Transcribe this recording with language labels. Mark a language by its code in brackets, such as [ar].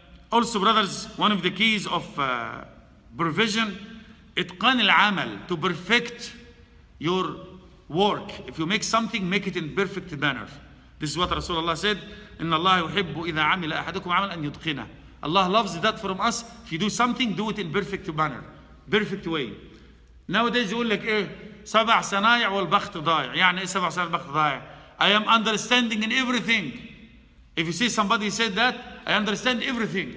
[en] Also, brothers, one of the keys of provision, itqan al-amal, to perfect your work. If you make something, make it in perfect manner. This is what Rasulullah said, [ar] إن الله يحب إذا عمل أحدكم عمل أن يتقنه. [en] Allah loves that from us. If you do something, do it in perfect manner, perfect way. Nowadays, you will like, [ar] سبع صنايع والبخت ضايع. يعني إيه سبع صنايع والبخت ضايع؟ [en] I am understanding in everything. If you see somebody said that, I understand everything.